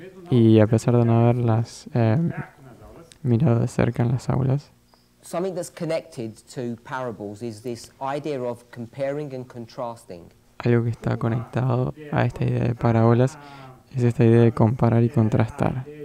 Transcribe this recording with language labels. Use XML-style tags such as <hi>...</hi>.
<es>y a pesar de no haberlas mirado de cerca en las aulas,</es> <en>something that's connected to parables is this idea of comparing and contrasting.</en> <es>Algo que está conectado a esta idea de parábolas es esta idea de comparar y contrastar.</es>